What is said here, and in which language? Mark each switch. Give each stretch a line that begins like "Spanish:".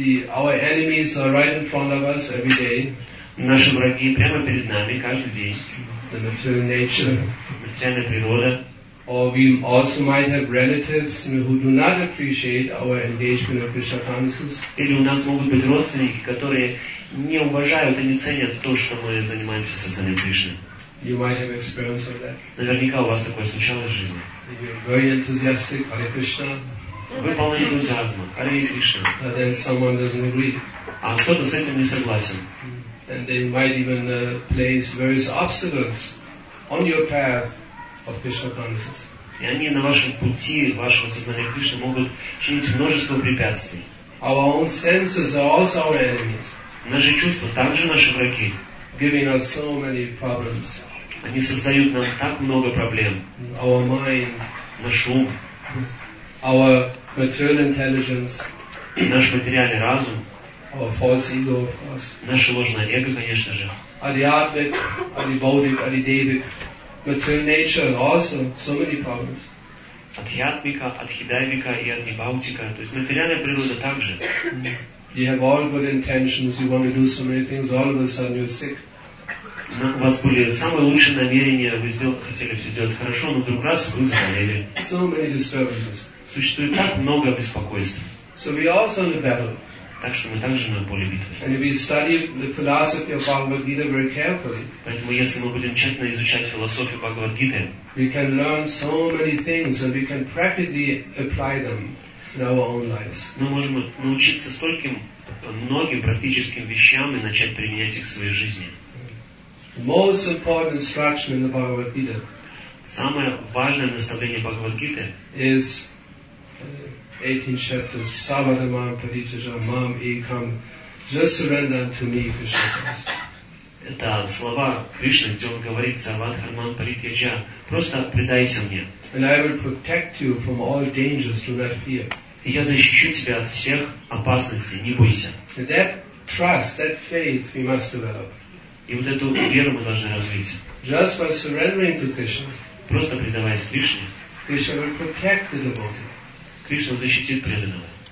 English: our enemies are right in front of us every day.
Russian: Наши враги прямо перед нами каждый день.
English: The material nature.
Russian: Материальная природа.
English: Or we also might have relatives who do not appreciate our engagement of Krishna consciousness.
Russian: Или у нас могут быть родственники, которые не уважают и не ценят то, что мы занимаемся сознанием Кришны.
English: You might have experience of that.
Russian: Наверняка у вас такое случалось в жизни.
English: You're very enthusiastic, Hare Krishna.
Russian: Вы полны энтузиазма, Hare Krishna.
English: But then someone doesn't agree.
Russian: А кто-то с этим не согласен.
English: And they might even place various obstacles on your path of Krishna consciousness.
Russian: И они на вашем пути вашего сознания Кришны могут чинить множество препятствий.
English: Our own senses are also our enemies.
Russian: Наши чувства также наши враги.
English: Giving us so many problems.
Russian: Они создают нам так много проблем.
English: Our mind,
Russian: наш ум,
English: our material intelligence,
Russian: наш материальный разум,
English: our false ego, of course,
Russian: наше ложное эго, конечно же.
English: Adiatmic, adibodhic, adidevic, material nature also so many problems.
Russian: Адхиатмика, адхидайвика и адхибаутика, то есть материальная природа также.
English: You have all good intentions, you want to do so many things, all of a sudden you're sick.
Russian: У вас были самые лучшие намерения, вы хотели все делать хорошо, но вдруг раз, вы заболели.
English: So many disturbances.
Russian: Существует так много беспокойств.
English: So we are also in the battle.
Russian: Так что мы также на поле битвы.
English: And if we study the philosophy of Bhagavad Gita very carefully,
Russian: поэтому если мы будем тщательно изучать философию Бхагавад Гиты,
English: we can learn so many things and we can practically apply them.
Russian: Мы можем научиться стольким многим практическим вещам и начать применять их в своей жизни.
English: Most important instruction in the Bhagavad Gita.
Russian: Самое важное наставление Бхагавад Гиты.
English: Is 18 chapters.
Sanskrit: Savadamam Padichajamam Ekam.
English: Just surrender unto me, Krishna says.
Russian: Это слова Кришны, где он говорит
Sanskrit: Савадхарман Паритяджа.
Russian: Просто предайся мне.
English: And I will protect you from all dangers through that fear.
Russian: И я защищу тебя от всех опасностей, не бойся.
English: That trust, that faith we must develop.
Russian: И вот эту веру мы должны развить.
English: Just by surrendering to Krishna,
Russian: просто предаваясь Кришне,
English: Krishna will protect the devotee.
Russian: Кришна защитит преданного.